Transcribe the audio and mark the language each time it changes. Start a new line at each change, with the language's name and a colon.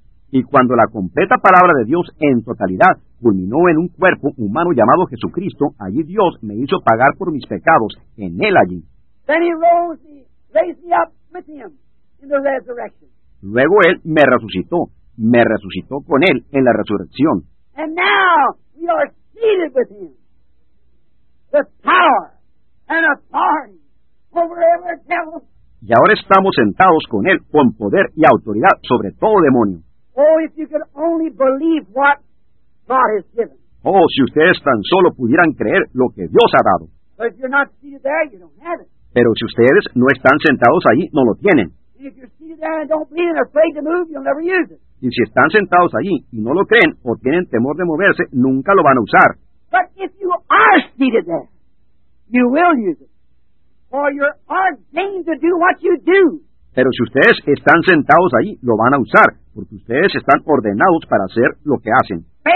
Spanish: Y cuando la completa palabra de Dios en totalidad culminó en un cuerpo humano llamado Jesucristo, allí Dios me hizo pagar por mis pecados, en él allí.
English: Then he rose, he raised me up with him in the resurrection.
Spanish: Luego él me resucitó con él en la resurrección.
English: And now we are seated with him, the power and authority over every devil.
Spanish: Y ahora estamos sentados con él con poder y autoridad sobre todo demonio.
English: Oh, if you could only believe what God has given.
Spanish: Oh, si ustedes tan solo pudieran creer lo que Dios ha dado.
English: But if you're not seated there, you don't have it.
Spanish: Pero si ustedes no están sentados allí, no lo tienen.
English: And if you're seated there and don't believe and afraid to move, you'll never use it.
Spanish: Y si están sentados allí y no lo creen o tienen temor de moverse, nunca lo van a usar.
English: But if you are seated there, you will use it. For you're ordained to do what you do.
Spanish: Pero si ustedes están sentados allí, lo van a usar, porque ustedes están ordenados para hacer lo que hacen.